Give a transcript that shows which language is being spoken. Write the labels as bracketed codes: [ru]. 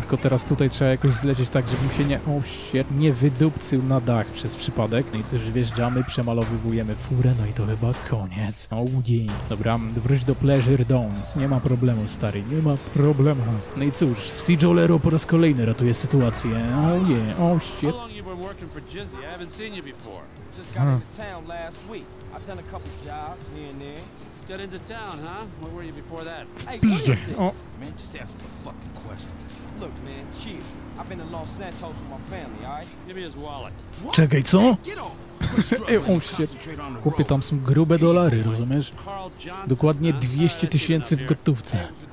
[pl] Tylko teraz tutaj trzeba jakoś zlecieć tak, żebym się nie... [en] O, shit. [pl] Nie wydupcył na dach przez przypadek. No i cóż, wjeżdżamy, przemalowujemy furę. No i to chyba koniec. [en] O, yeah. [pl] Dobra, wróć do Pleasure Dawns. Nie ma problemu, stary. Nie ma problemu. No i cóż, Cjolero po raz kolejny ratuje sytuację. [en] Oh yeah, oh shit. How long you been working for Jizzy? I haven't seen you before. Just got into town last week. I've done a couple jobs here and there. Just got into town, huh? Where were you before that? Hey, what is it? Man, just ask the fucking question. Look, man, chief. I've been to Los Santos with my family, alright? Give me his wallet. What? [pl] Czekaj, co? Ej, o, [en] shit. [pl] Chłopie, tam są grube dolary, rozumiesz? Dokładnie 200 tysięcy w gotówce.